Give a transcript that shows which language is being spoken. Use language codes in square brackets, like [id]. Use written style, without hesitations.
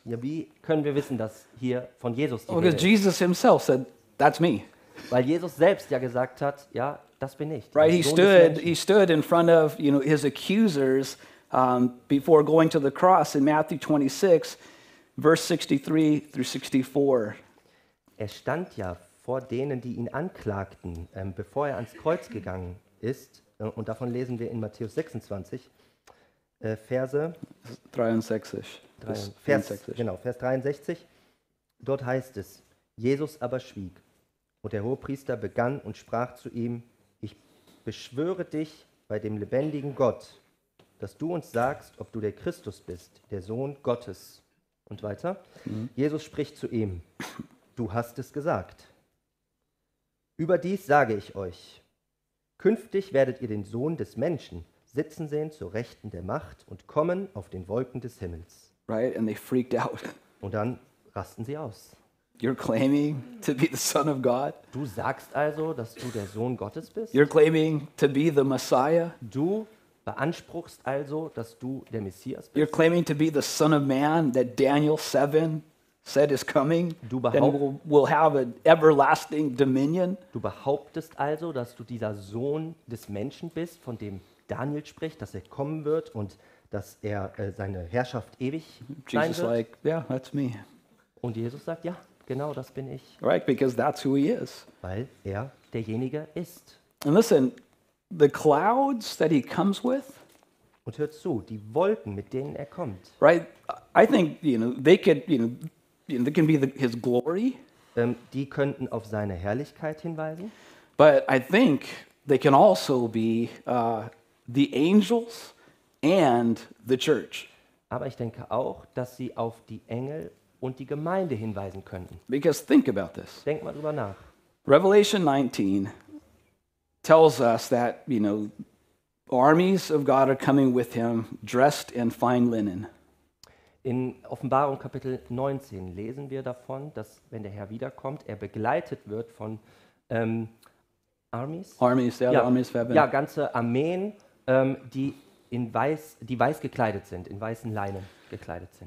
[de] Ja, wie können wir wissen, dass hier von Jesus die Rede ist? [en] Jesus himself said, that's me. [de] Weil Jesus selbst ja gesagt hat, ja, das bin ich. [en] Right, he stood in front of, you know, his accusers before going to the cross in Matthew 26, verse 63 through 64. [de] Er stand ja vor denen, die ihn anklagten, bevor er ans Kreuz gegangen ist. Und davon lesen wir in Matthäus 26, Verse 63. Vers 63. Dort heißt es, Jesus aber schwieg. Und der Hohepriester begann und sprach zu ihm, ich beschwöre dich bei dem lebendigen Gott, dass du uns sagst, ob du der Christus bist, der Sohn Gottes. Und weiter. Mhm. Jesus spricht zu ihm, du hast es gesagt. Überdies sage ich euch, künftig werdet ihr den Sohn des Menschen sitzen sehen zur Rechten der Macht und kommen auf den Wolken des Himmels. [en] Right, and they freaked out. [de] Und dann rasten sie aus. [en] You're claiming to be the Son of God. [de] Du sagst also, dass du der Sohn Gottes bist. [en] You're claiming to be the Messiah. [de] Du beanspruchst also, dass du der Messias bist. [en] You're claiming to be the Son of Man that Daniel 7 said is coming. [de] Du behauptest, [en] that will have an everlasting dominion. [de] Du behauptest also, dass du dieser Sohn des Menschen bist, von dem Daniel spricht, dass er kommen wird und dass er seine Herrschaft ewig [en] Jesus [de] sein wird. [en] Like, yeah, that's me. [de] Und Jesus sagt, ja, genau das bin ich. [en] Right, because that's who he is. [de] Weil er derjenige ist. [en] And listen, the clouds that he comes with. [de] Und hört zu, die Wolken, mit denen er kommt. [en] Right, I think, you know, they could, you know, they can be his glory. [de] Die könnten auf seine Herrlichkeit hinweisen. [en] But I think they can also be the angels and the church. [de] Aber ich denke auch, dass sie auf die Engel und die Gemeinde hinweisen könnten. [en] Because think about this. [de] Denk mal drüber nach. [en] Revelation 19 tells us that, you know, armies of God are coming with him dressed in fine linen. [de] In Offenbarung Kapitel 19 lesen wir davon, dass wenn der Herr wiederkommt, er begleitet wird von [en] Armies of heaven. [de] Ja, ganze Armeen, die in weiß, die weiß gekleidet sind, in weißen Leinen gekleidet sind.